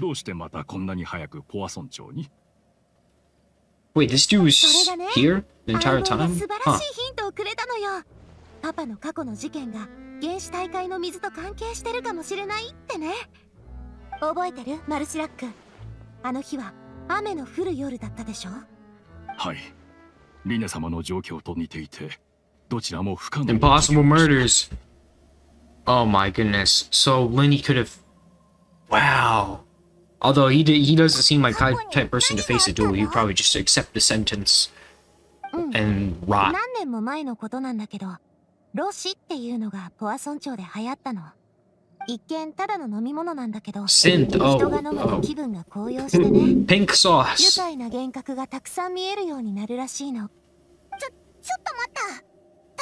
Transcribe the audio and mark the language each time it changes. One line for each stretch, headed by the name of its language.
Japanese: どうしてまたこんなに早くポワソン町に？
English: Wait, this dude was here the entire time?
Japanese: 素晴らしいヒントをくれたのよ。パパの過去の事件が原始大海の水と関係してるかもしれないってね。覚えてる、マルシラック。あの日は雨の降る夜だったでしょ。はい、リネ様の状況と似ていてどちらも不可能。
English: Impossible murders. Oh my goodness. So Lenny could have. Wow. Although he doesn't seem like the type of person to face a duel. He probably just accept the sentence and rot.
Japanese: 何年も前のことなんだけど、ロシっていうのがポアソン町で流行ったの。一見ただの飲み物なんだけど、人が飲むと気分が高揚してね。ピンクソース。愉快な幻覚がたくさん見えるようになるらしいの。ちょっと待った。